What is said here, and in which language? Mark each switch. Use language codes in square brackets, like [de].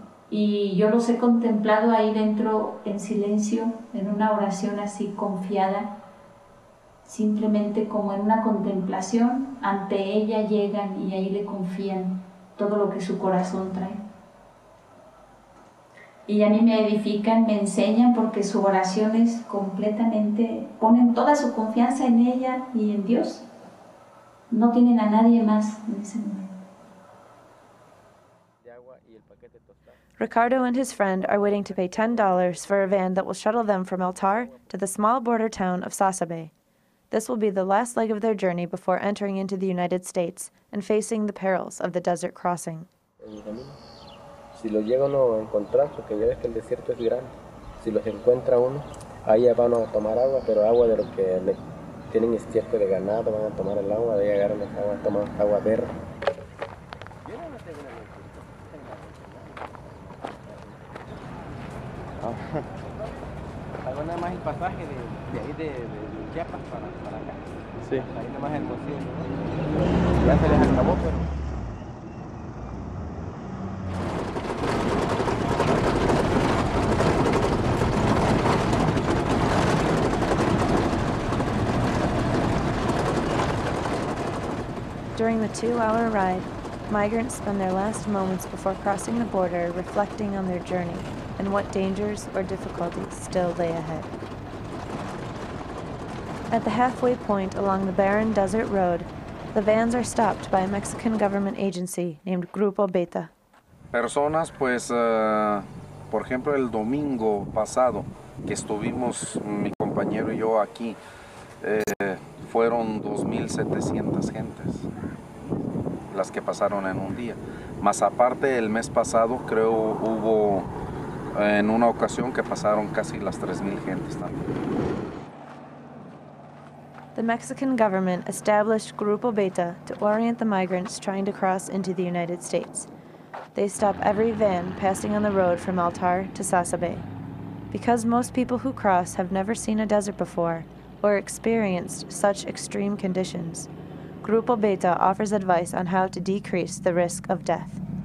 [es] Y yo los he contemplado ahí dentro en silencio, en una oración así confiada, simplemente como en una contemplación, ante ella llegan y ahí le confían todo lo que su corazón trae. Y a mí me edifican, me enseñan, porque su oración es completamente, ponen toda su confianza en ella y en Dios. No tienen a nadie más en ese momento. [en] Ricardo and his friend are waiting to pay $10 for a van that will shuttle them from Altar to the small border town of Sasabe. This will be the last leg of their journey before entering into the United States and facing the perils of the desert crossing. [es] Si lo llega uno a encontrar, porque ya ves que el desierto es grande. Si los encuentra uno, ahí van a tomar agua, pero agua de lo que tienen estiércol de ganado, van a tomar el agua, de ahí agarran esa agua, toman agua verde. Ahí nada más el pasaje de ahí de Chiapas para acá. Sí. Ahí nada más el cocido. Ya se les acabó, pero. [en] During the 2-hour ride, migrants spend their last moments before crossing the border reflecting on their journey and what dangers or difficulties still lay ahead. At the halfway point along the barren desert road, the vans are stopped by a Mexican government agency named Grupo Beta. [es] Personas, pues, por ejemplo, el domingo pasado, que estuvimos mi compañero y yo aquí, fueron 2,700 gentes las que pasaron en un día. Más aparte, el mes pasado creo hubo en una ocasión que pasaron casi las 3,000 gentes también. [en] The Mexican government established Grupo Beta to orient the migrants trying to cross into the United States. They stop every van passing on the road from Altar to Sasabe. Because most people who cross have never seen a desert before or experienced such extreme conditions, Grupo Beta offers advice on how to decrease the risk of death.